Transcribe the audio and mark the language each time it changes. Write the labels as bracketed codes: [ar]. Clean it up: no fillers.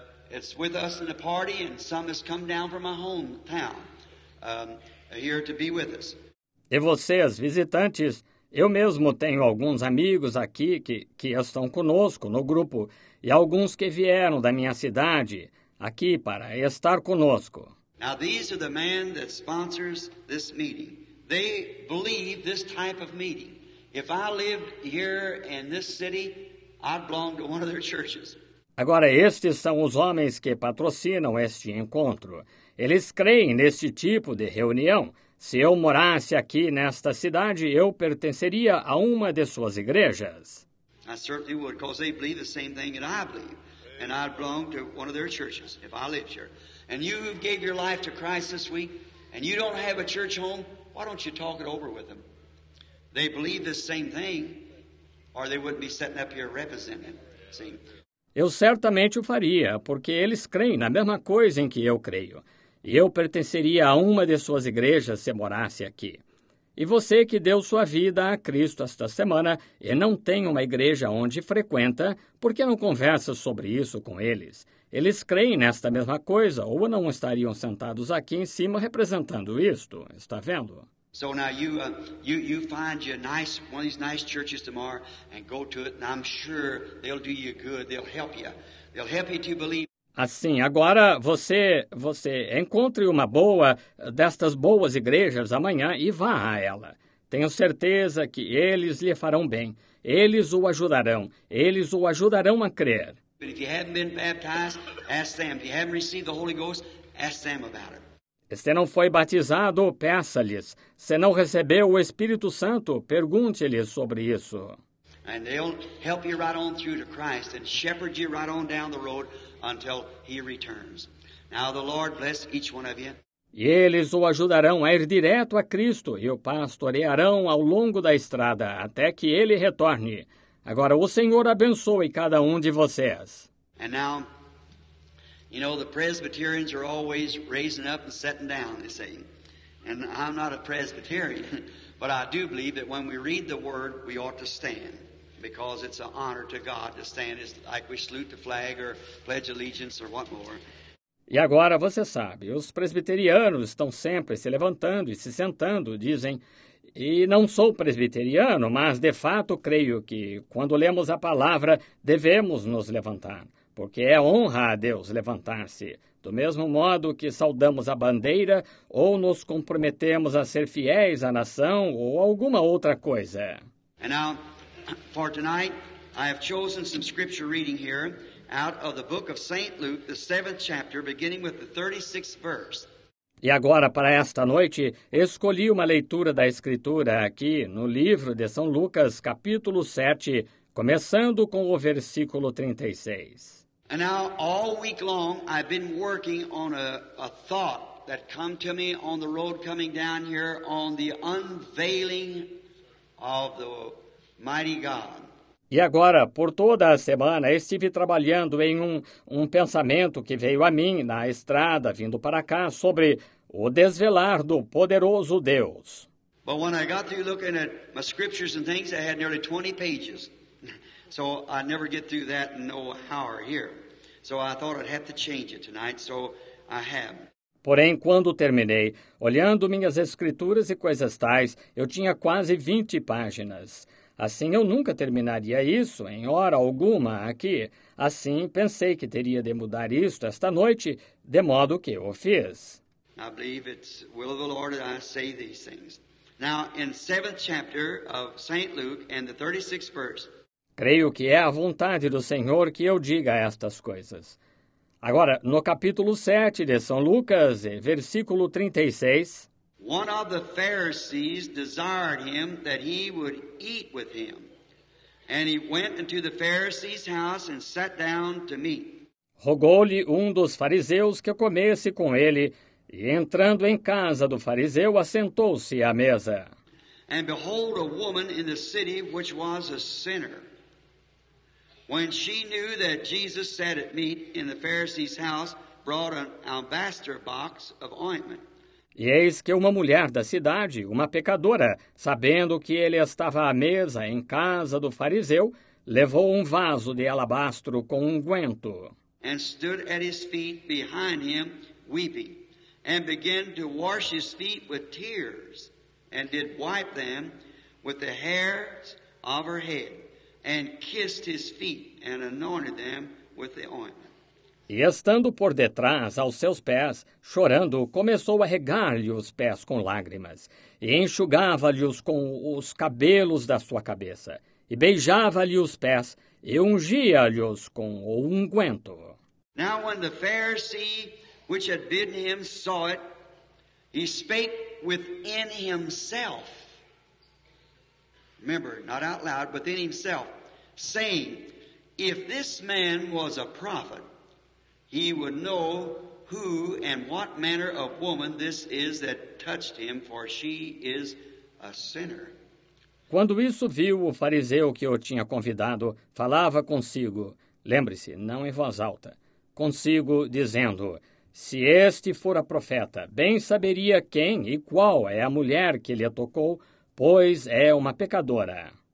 [en] It's with us in the party, and some has come down from my hometown here to be with us. [pt] E vocês, visitantes, eu mesmo tenho alguns amigos aqui que estão conosco no grupo e alguns que vieram da minha cidade aqui para estar conosco. [en] Now these are the men that sponsors this meeting. They believe this type of meeting. If I lived here in this city, I'd belong to one of their churches. [pt] Agora estes são os homens que patrocinam este encontro. Eles creem neste tipo de reunião. Se eu morasse aqui nesta cidade, eu pertenceria a uma de suas igrejas. [en] I certainly would, because they believe the same thing that I believe. And I'd belong to one of their churches if I lived here. And you who gave your life to Christ this week, and you don't have a church home, why don't you talk it over with them? They believe the same thing, or they wouldn't be sitting up here representing it. See? [pt] Eu certamente o faria, porque eles creem na mesma coisa em que eu creio. E eu pertenceria a uma de suas igrejas se morasse aqui. E você que deu sua vida a Cristo esta semana e não tem uma igreja onde frequenta, por que não conversa sobre isso com eles? Eles creem nesta mesma coisa ou não estariam sentados aqui em cima representando isto? Está vendo? [en] So now you find you a nice one of these nice churches tomorrow and go to it, and I'm sure they'll do you good. They'll help you. They'll help you to believe. [pt] Assim, agora você encontre uma boa destas boas igrejas amanhã e vá a ela. Tenho certeza que eles lhe farão bem. Eles o ajudarão. Eles o ajudarão a crer. [en] But if you haven't been baptized, ask them. If you haven't received the Holy Ghost, ask them about it. [pt] Se não foi batizado, peça-lhes. Se não recebeu o Espírito Santo, pergunte-lhes sobre isso. [en] And they'll help you right on through to Christ and shepherd you right on down the road until he returns. Now the Lord bless each one of you. [pt] E eles o ajudarão a ir direto a Cristo e o pastorearão ao longo da estrada até que ele retorne. Agora o Senhor abençoe cada um de vocês. [en] And now, you know, the Presbyterians are always raising up and sitting down, they say. And I'm not a Presbyterian, but I do believe that when we read the word, we ought to stand. Because it's an honor to God to stand. It's like we salute the flag or pledge allegiance or what more. [pt] E agora você sabe, os presbiterianos estão sempre se levantando e se sentando, dizem. E não sou presbiteriano, mas de fato creio que quando lemos a palavra, devemos nos levantar. Porque é honra a Deus levantar-se. Do mesmo modo que saudamos a bandeira ou nos comprometemos a ser fiéis à nação ou alguma outra coisa. [en] And now, for tonight, I have chosen some scripture reading here out of the book of St. Luke, the 7th chapter, beginning with the 36th verse. [pt] E agora, para esta noite, escolhi uma leitura da Escritura aqui no livro de São Lucas, capítulo 7, começando com o versículo 36. [en] And now, all week long, I've been working on a thought that come to me on the road coming down here on the unveiling of the Mighty God. [pt] E agora, por toda a semana, estive trabalhando em um pensamento que veio a mim na estrada, vindo para cá, sobre o desvelar do poderoso Deus. [en] But when I got through looking at my scriptures and things, I had nearly 20 pages. So I never get through that in no hour here. So I thought I'd have to change it tonight, so I have. [pt] Porém, quando terminei, olhando minhas escrituras e coisas tais, eu tinha quase 20 páginas. Assim, eu nunca terminaria isso em hora alguma aqui. Assim, pensei que teria de mudar isto esta noite, de modo que o fiz. [en] I believe it's the will of the Lord that I say these things. Now, in the 7th chapter of St. Luke and the 36th verse. [pt] Creio que é a vontade do Senhor que eu diga estas coisas. Agora, no capítulo 7 de São Lucas, versículo 36. [en] One of the Pharisees desired him that he would eat with him. And he went into the Pharisee's house and sat down to meat. [pt] Rogou-lhe um dos fariseus que comesse com ele, e entrando em casa do fariseu, assentou-se à mesa. [en] And behold, a woman in the city which was a sinner. When she knew that Jesus sat at meat in the Pharisee's house, brought an alabaster box of ointment. [pt] E eis que uma mulher da cidade, uma pecadora, sabendo que ele estava à mesa em casa do fariseu, levou um vaso de alabastro com ungüento. [en] And stood at his feet behind him, weeping, and began to wash his feet with tears, and did wipe them with the hairs of her head, and kissed his feet, and anointed them with the ointment. [pt] E estando por detrás, aos seus pés, chorando, começou a regar-lhe os pés com lágrimas, e enxugava-lhes com os cabelos da sua cabeça, e beijava-lhe os pés, e ungia-lhes com o ungüento. [en] Now when the Pharisee which had bidden him saw it, he spake within himself. Remember, not out loud, but within himself, saying, if this man was a prophet, he would know who and what manner of woman this is that touched him, for she is a sinner. [pt] Quando isso viu o fariseu que o tinha convidado, falava consigo, lembre-se, não em voz alta, consigo, dizendo: se este fora profeta, bem saberia quem e qual é a mulher que lhe tocou, pois é uma pecadora.